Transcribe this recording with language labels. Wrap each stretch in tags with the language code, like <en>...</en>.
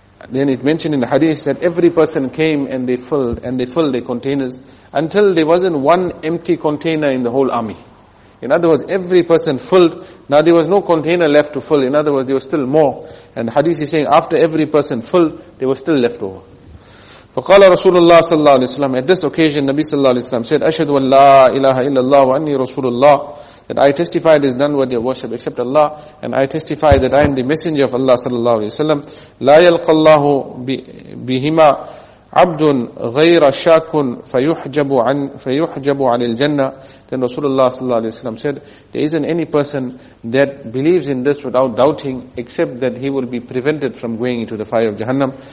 <en>Then it mentioned in the hadith that every person came and they filled their containers until there wasn't one empty container in the whole army. In other words, every person filled. Now there was no container left to fill. In other words, there was still more. And the hadith is saying after every person filled, they were still left over.</en> <ar>فَقَالَ رَسُولُ اللَّهِ صَلَّى اللَّهُ عَلَيْهِ وَسَلَّمَ.</ar> <en>At this occasion, Nabi صلى الله عليه وسلم said,</en> <ar>أَشْهَدُ أَنْ لَا إِلَهَ إِلَّا اللَّهُ وَأَنِّي رَسُولُ اللَّهِ.</ar> <en>That I testify there is none worthy of worship except Allah, and I testify that I am the messenger of Allah صلى الله عليه وسلم.</en> <ar>لَا يَلْقَى اللَّهُ بِهِمَا عَبْدٌ غَيْرَ شَاكٌ فَيُحْجَبُ عَنِ الْجَنَّةِ.</ar> <en>Then Rasulullah صلى الله عليه وسلم said, there isn't any person that believes in this without doubting, except that he will be prevented from going into the fire of Jahannam.</en>